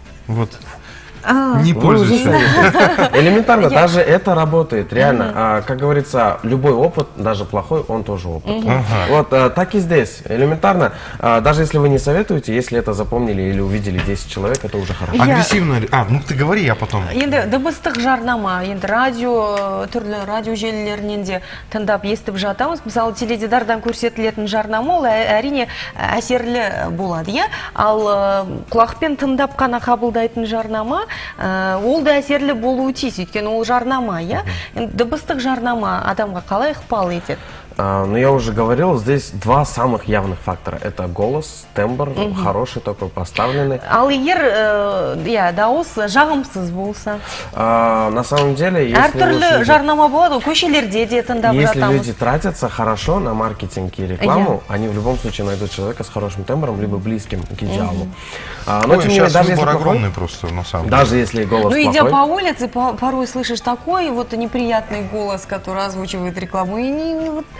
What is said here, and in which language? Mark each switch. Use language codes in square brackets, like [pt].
[ru] Вот. Не пользуйся. Элементарно, даже это работает, реально. Как говорится, любой опыт, даже плохой, он тоже опыт. Вот так и здесь, элементарно. Даже если вы не советуете, если это запомнили или увидели 10 человек, это уже хорошо. Агрессивно. А, ну ты говори, я потом. [kk] Енді дыбыстық жарнама, енді радио, түрлі радио желілерінен де тыңдап естіп жатамыз. Мысалы, теледидардан көрсетілетін жарнама, ол әрине әсерлі болады, иә? Ал құлақпен тыңдап қана қабылдайтын жарнама, ол да әсерлі болуы тиіс, өйткені ол жарнама, иә? Дыбыстық жарнама адамға қалай ықпал етеді? [ru] Ну, я уже говорил, здесь два самых явных фактора. Это голос, тембр, угу. хороший такой, поставленный. [kk] Ал егер, я, дауыс жағымсыз болса? [ru] На самом деле, если... [kk] Әртүрлі жарнама болады, көшелерде де тыңдап жатамыз. [ru] Если люди тратятся хорошо на маркетинг и рекламу, они в любом случае найдут человека с хорошим тембром, либо близким к идеалу. Но, тем не менее, даже если огромный просто, на самом деле. Даже если голос плохой. Ну, идя по улице, порой слышишь такой вот неприятный голос, который озвучивает рекламу, и не...